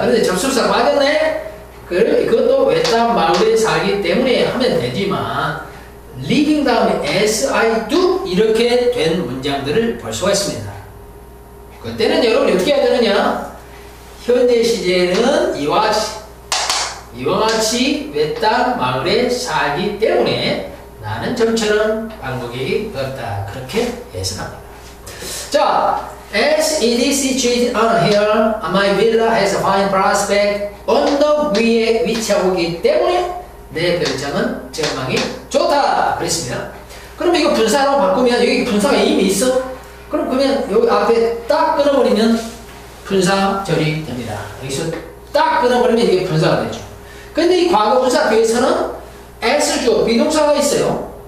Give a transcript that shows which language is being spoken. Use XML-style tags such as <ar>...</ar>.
<ko>그런데 접속사가 빠졌네. 그것도 외딴 마을에 살기 때문에 하면 되지만 living 다음에</ko> <en>as I do</en> <ko>이렇게 된 문장들을 볼 수가 있습니다. 그때는 여러분이 어떻게 해야 되느냐, 현재 시제는 이와 같이, 이와 같이 외딴 마을에 살기 때문에 나는 좀처럼 방국이 없다. 그렇게 해석합니다.</ko> <en>자, As it is situated on a hill, my villa has a fine prospect.</en> <ko>언덕 위에 위치하고 있기 때문에 내 별장은 전망이 좋다. 그랬습니다. 그럼 이거 분사로 바꾸면, 여기 분사가 이미 있어. 그럼 그러면 여기 앞에 딱 끊어버리면 분사절이 됩니다. 여기서 딱 끊어버리면 이게 분사가 되죠. 근데 이 과거 분사 뒤에서는 as 주어 비동사가 있어요.</ko>